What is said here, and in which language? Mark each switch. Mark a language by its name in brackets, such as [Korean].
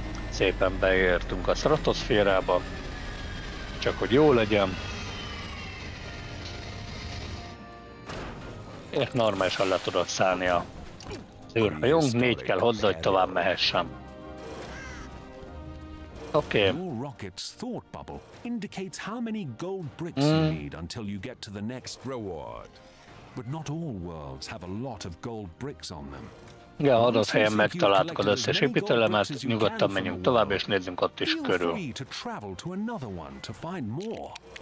[Hungarian] Szépen beértünk a stratoszférába. Csak hogy jó legyen. És normálisan le tudok szállni a űrhajónk. 4 kell hozzá, hogy tovább mehessem. [English] Okay. Your rocket's thought bubble indicates how many gold bricks you need until you get to the next reward. But not all worlds have a lot of gold bricks on them. [Hungarian] Ja, adott helyen megtaláltuk az összes építőlemet, nyugodtan menjünk tovább és nézzünk ott is körül. [English] Feel free to travel to another one to find more.